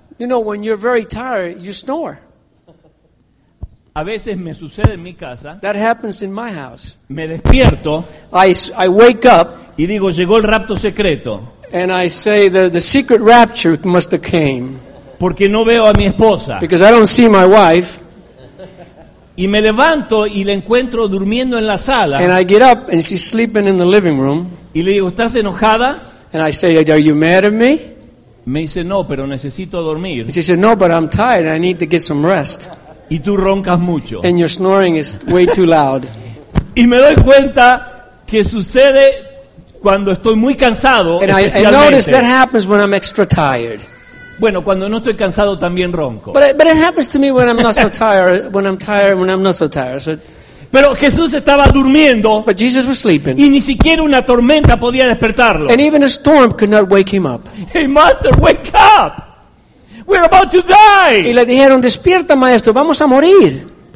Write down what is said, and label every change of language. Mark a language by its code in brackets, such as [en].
[en] You know, when you're very tired, you snore. [es] A veces me sucede en mi casa. [en] That happens in my house. [es] Me despierto. [en] I wake up. [es] Y digo, llegó el rapto secreto. [en] And I say the secret rapture must have came. [es] Porque no veo a mi esposa. [en] Because I don't see my wife. [es] Y me levanto y la encuentro durmiendo en la sala. [en] And I get up and she's sleeping in the living room. [es] Y le digo, ¿estás enojada? [en] And I say, are you mad at me? [es] Me dice, no, pero necesito dormir. [en] She said, no, but I'm tired and I need to get some rest. [es] Y tú roncas mucho. [en] And your snoring is way too loud. [es] Y me doy cuenta que sucede cuando estoy muy cansado, especialmente. [en] And I notice that happens when I'm extra tired. [es] Bueno, cuando no estoy cansado también ronco. [en] But it happens to me when I'm not so tired, when I'm tired, when I'm not so tired. So, [es] pero Jesús estaba durmiendo. [en] But Jesus was sleeping. [es] Y ni siquiera una tormenta podía despertarlo. [en] And even a storm could not wake him up. Hey, master, wake up! We're about to die! [es] Y le dijeron, despierta, maestro, vamos a morir.